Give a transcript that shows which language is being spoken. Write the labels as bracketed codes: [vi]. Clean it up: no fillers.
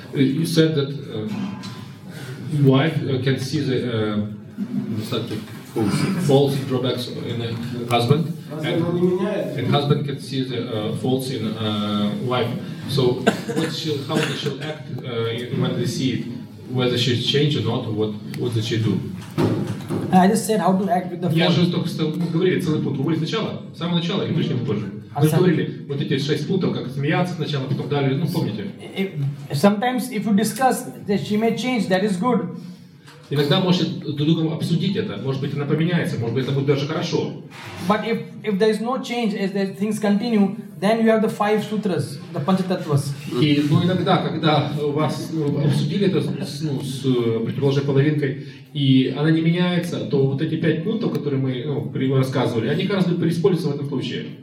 [en] You said that wife can see the faults and drawbacks in a husband, and husband can see the faults in wife. So, how does she act when they see it? Whether she change or not, what does she do? I just said how to act with the [ru] fault. Я же только что говорили целый пункт. Вы были сначала, с самого начала, и пришли позже. Мы говорили вот эти шесть пунктов, как смеяться сначала, потом дали, ну помните. [en] Sometimes if you discuss that she may change, that is good. [ru] Иногда может друг другом обсудить это, может быть она поменяется, может быть это будет даже хорошо. [en] But if there is no change, if the things continue, then you have the five sutras, the panchatattvas. [ru] И ну иногда, когда у вас обсудили это ну, с противоположной половинкой, и она не меняется, то вот эти пять пунктов, которые мы ну, рассказывали, они как раз будут переиспользоваться в этом случае.